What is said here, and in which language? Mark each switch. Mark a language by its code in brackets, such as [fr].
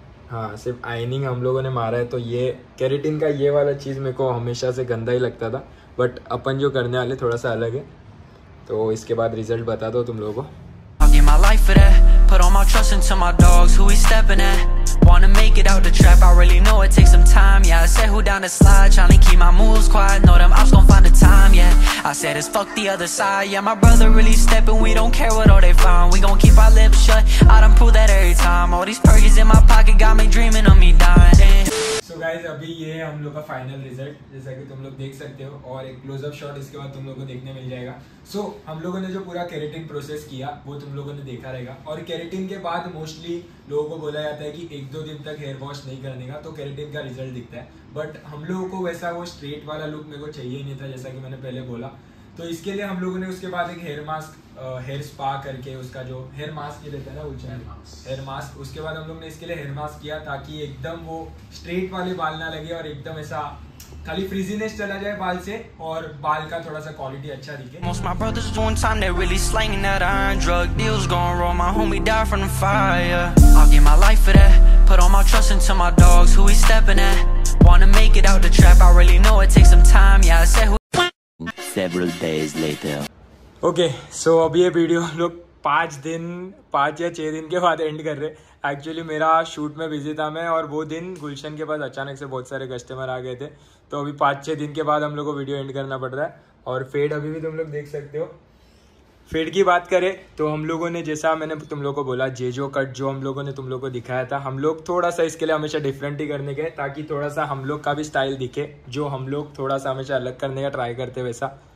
[hi] हाँ सिर्फ आइनिंग हम लोगों ने मारा है तो ये केराटिन का ये वाला चीज़ मेरे को हमेशा से गंदा ही लगता था, बट अपन जो करने वाले थोड़ा सा अलग है तो इसके बाद रिजल्ट बता दो तुम लोगों को। [en] Put all my trust into my dogs, who we stepping at? Wanna make it out the trap, I really know it takes some time. Yeah, I said who down the slide, trying to keep my moves quiet. Know them ops gon' find the time, yeah. I said it's fuck the other side, yeah. My brother really stepping, we don't care what all they find. We gon' keep our lips shut, I done prove that every time. All these perks in my pocket got me dreaming of me dying. [hi] So guys, अभी ये हम लोग का final result, जैसा कि तुम लोग देख सकते हो, और एक close up shot इसके बाद तुम लोग को देखने मिल जाएगा। So हम लोगों ने जो पूरा keratin process किया, वो तुम लोगों ने देखा रहेगा। और keratin के बाद mostly लोगों को बोला जाता है कि 1-2 दिन तक हेयर वॉश नहीं करने का, तो केराटिन का रिजल्ट दिखता है। बट हम लोगों को वैसा वो स्ट्रेट वाला लुक मेरे को चाहिए नहीं था जैसा कि मैंने पहले बोला, तो इसके लिए हम लोगों ने उसके बाद एक हेयर मास्क, हेयर स्पा करके उसका जो हेयर मास्क ही रहता है ना उलझा हेयर मास्क, उसके बाद हम लोग ने इसके लिए हेयर मास्क किया ताकि एकदम वो स्ट्रेट वाले बाल ना लगे और एकदम ऐसा खाली फ्रिजीनेस चला जाए बाल से और बाल का थोड़ा सा क्वालिटी अच्छा दिखे। [en] Most my brothers doing time, they really slanging that iron. Drug deals gone wrong, my homie died from the fire. I'll give my life for that. Put all my trust into my dogs, who we stepping at? Wanna make it out the trap, I really know it takes some time. Yeah, I said who. Several days later. [hi] Okay, so अभी ये video हम लोग 5 या 6 दिन के बाद and कर रहे हैं। एक्चुअली मेरा शूट में बिजी था मैं और वो दिन गुलशन के पास अचानक से बहुत सारे कस्टमर आ गए थे, तो अभी 5-6 दिन के बाद हम लोग को वीडियो एंड करना पड़ रहा है। और फेड अभी भी तुम लोग देख सकते हो। फेड की बात करें तो हम लोगों ने जैसा मैंने तुम लोगों को बोला जेजो कट जो हम लोगों ने तुम लोगों को दिखाया था, हम लोग थोड़ा सा इसके लिए हमेशा डिफरेंट ही करने गए ताकि थोड़ा सा हम लोग का भी स्टाइल दिखे, जो हम लोग थोड़ा सा हमेशा अलग करने का ट्राई करते वैसा।